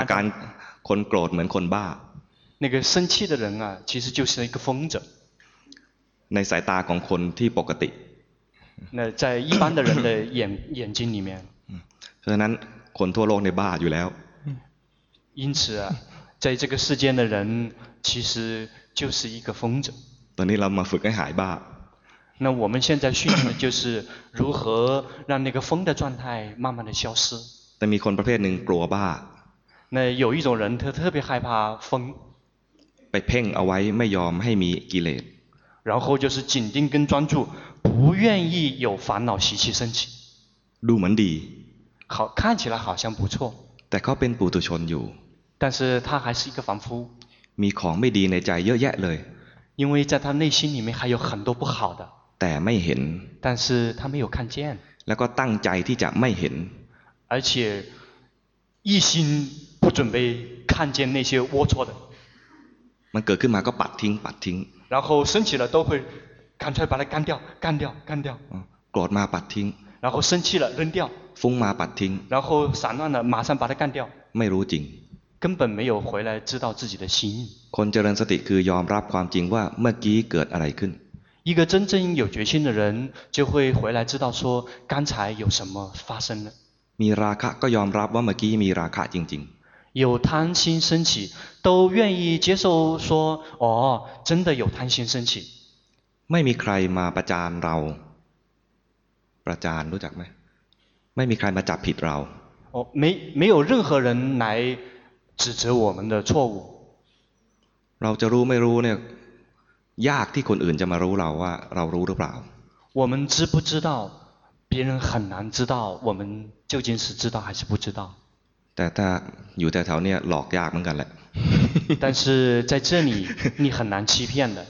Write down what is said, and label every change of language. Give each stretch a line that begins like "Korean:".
Thai: อาการคนโกรธเหมือนคนบ้า
Chinese: 那个生气的人啊其实就是一个疯子
Thai: ในสายตาของคนที่ปกติ
Chinese: 那在一般的人的眼睛里面
Thai: ฉะนั้นคนทั่วโลกในบ้าอยู่แล้ว
Chinese: 因此啊在这个世间的人其实就是一个疯子
Thai: ตอนนี้เรามาฝึกให้หายบ้า
Chinese: 那我们现在训练的就是如何让那个风的状态慢慢的消失。
Thai: แต่มีคนประเภทหนึ่งกลัวบ้า。
Chinese: 那有一种人他特别害怕风。
Thai: ไปเพ่งเอาไว้ไม่ยอมให้มีกิเลส。
Chinese: 然后就是紧盯跟专注，不愿意有烦恼习气升起。
Thai: ดูเหมือนดี。
Chinese: 好，看起来好像不错。
Thai: แต่เขาเป็นปุถุชนอยู่。
Chinese: 但是他还是一个凡夫。
Thai: มีของไม่ดีในใจเยอะแยะเลย。
Chinese: 因为在他内心里面还有很多不好的。
Thai: แต่ไม่เห็น。
Chinese: 但是他没有看见。
Thai: แล้วก็ตั้งใจที่จะไม่เห็น。
Chinese: 而且一心不准备看见那些龌龊的。
Thai: มันเกิดขึ้นมาก็ปัดทิ้งปัดทิ้ง。
Chinese: 然后升起了都会赶快把它干掉干掉干掉。
Thai: โกรธมาปัดทิ้ง。
Chinese: 然后生气了扔掉。
Thai: ฟุ้งมาปัดทิ้ง。
Chinese: 然后散乱了马上把它干掉。
Thai: ไม่รู้จริง。
Chinese: 根本没有回来知道自己的心。
Thai: คนเจริญสติคือยอมรับความจริงว่าเมื่อกี้เกิดอะไรขึ้น。
Chinese: 一个真正有决心的人就会回来知道说刚才有什么发生了。
Thai: มีราคะก็ยอมรับว่าเมื่อกี้มีราคะจริง
Chinese: ๆ有贪心升起都愿意接受说哦真的有贪心升起
Thai: ไม่มีใครมาประจานเราประจานรู้จักไหมไม่มีใครมาจับผิดเรา
Chinese: 哦没有任何人来指责我们的错误
Thai: เราจะรู้ไม่รู้เนี่ยยากที่คนอื่นจะมารู้เราว่าเรารู้หรือเปล่า
Chinese: 我们知不知道别人很难知道我们究竟是知道还是不知道
Thai: แต่ถ้าอยู่แถวๆนี้หลอกยากเหมือนกันแหละ
Chinese: 但是在这里你很难欺骗的